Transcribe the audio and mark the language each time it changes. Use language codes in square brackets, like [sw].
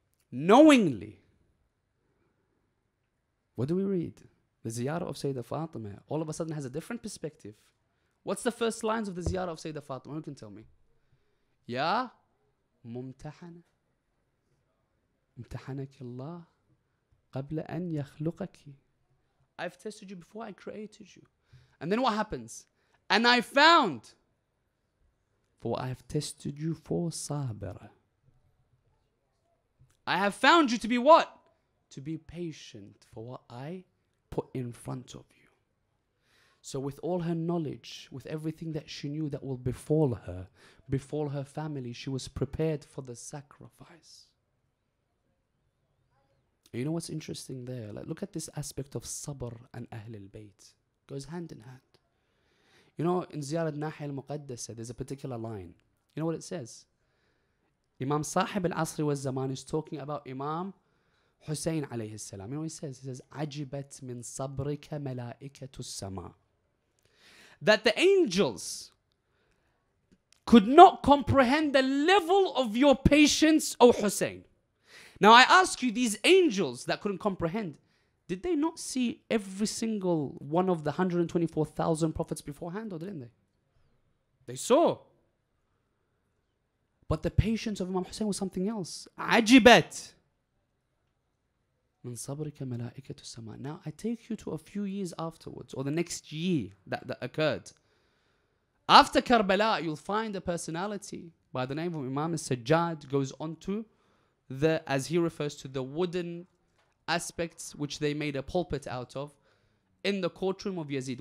[en] Knowingly. What do we read? The ziyarah of Sayyida Fatima all of a sudden has a different perspective. What's the first lines of the ziyarah of Sayyida Fatima? Who can tell me? Ya mumtahana. [ar] امتحنك الله قبل أن يخلقك. [en] I've tested you before I created you. And then what happens? And I found, for I have tested you for صابرة. I have found you to be what? To be patient for what I put in front of you. So with all her knowledge, with everything that she knew that will befall her family, she was prepared for the sacrifice. You know what's interesting there? Like, look at this aspect of sabr and Ahlul Bayt. Goes hand in hand. You know, in Ziyarat Nahi al-Muqaddasa, there's a particular line. You know what it says? Imam Sahib al-Asri wa al-Zaman is talking about Imam Hussein alayhi salam. You know what he says? He says, [ar] عَجِبَتْ مِنْ صَبْرِكَ مَلَائِكَةُ السَّمَاءِ. [en] That the angels could not comprehend the level of your patience, O Hussein. Now I ask you, these angels that couldn't comprehend, did they not see every single one of the 124,000 prophets beforehand, or didn't they? They saw. But the patience of Imam Hussein was something else. [ar] عجبت من صبرك ملائكة السماء. [en] Now I take you to a few years afterwards, or the next year that occurred. After Karbala, you'll find a personality by the name of Imam Sajjad goes on to the, as he refers to, the wooden aspects which they made a pulpit out of in the courtroom of Yazid.